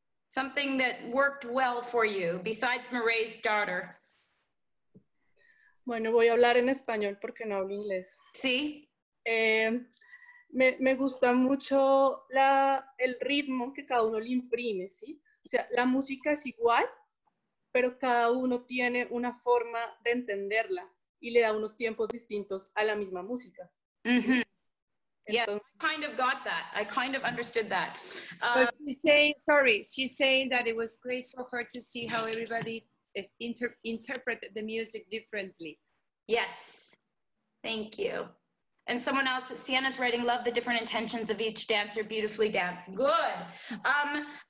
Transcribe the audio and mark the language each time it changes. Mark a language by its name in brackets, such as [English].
[English] Something that worked well for you besides Marae's daughter. [Spanish] Bueno, voy a hablar en español porque no hablo inglés. Sí. Me gusta mucho el ritmo que cada uno le imprime, ¿sí? O sea, la música es igual, pero cada uno tiene una forma de entenderla. Y le da unos tiempos distintos a la misma música. [English] Mm-hmm. [Spanish] Entonces, [English] yeah, I kind of got that. I kind of understood that. She's saying that it was great for her to see how everybody is interpreted the music differently. Yes, thank you. And someone else, Sienna's writing, love the different intentions of each dancer, beautifully danced. Good.